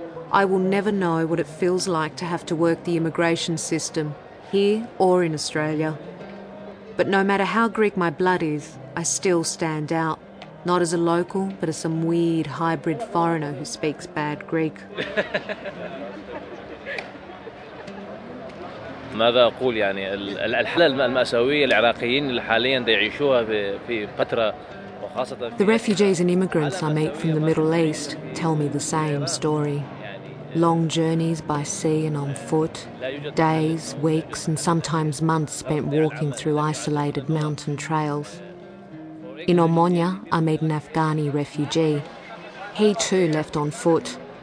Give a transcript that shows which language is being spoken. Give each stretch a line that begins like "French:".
English: I will never know what it feels like to have to work the immigration system, here or in Australia. But no matter how Greek my blood is, I still stand out. Not as a local, but as some weird hybrid foreigner who speaks bad Greek.
Arabic: ماذا أقول يعني الحالة المأساوية العراقيين اللي حاليا يعيشوها في فترة وخاصة.
English: The refugees and immigrants I meet from the Middle East tell me the same story. Long journeys by sea and on foot, days, weeks, and sometimes months spent walking through isolated mountain trails. In Omonia, I meet an Afghani refugee. He too left on foot.